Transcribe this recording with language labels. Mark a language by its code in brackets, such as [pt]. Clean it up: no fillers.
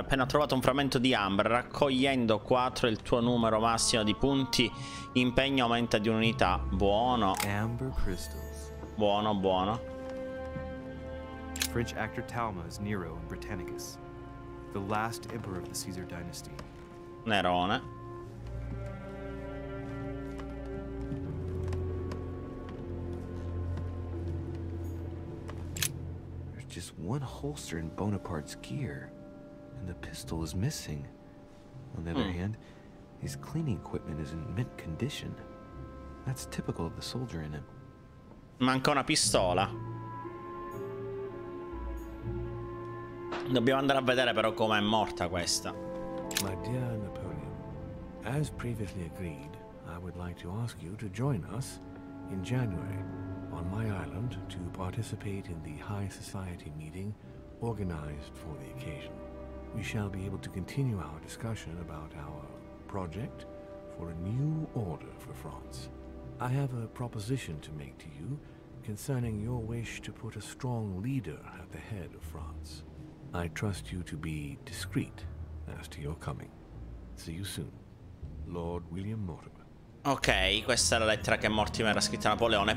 [it] Appena trovato un frammento di ambra, raccogliendo 4, il tuo numero massimo di punti impegno aumenta di un'unità. Buono. [en] Amber crystals. [it] Buono, buono. [en] French actor Talma is Nero in Britannicus, the last emperor of the Caesar dynasty. [it] Nerone. [en] Just one holster in Bonaparte's gear, and the pistol is missing. On the other hand, his cleaning equipment is in mint condition. That's typical of the soldier in him. [it] Manca una pistola. Dobbiamo andare a vedere però com'è morta questa. [en] My dear Napoleon, as previously agreed, I would like to ask you to join us in January on my island to participate in the high society meeting organized for the occasion. We shall be able to continue our discussion about our project for a new order for France. I have a proposition to make to you concerning your wish to put a strong leader at the head of France. I trust you to be discreet as to your coming. See you soon, Lord William Mortimer. [it] Ok, questa è la lettera che Mortimer ha scritto a Napoleone.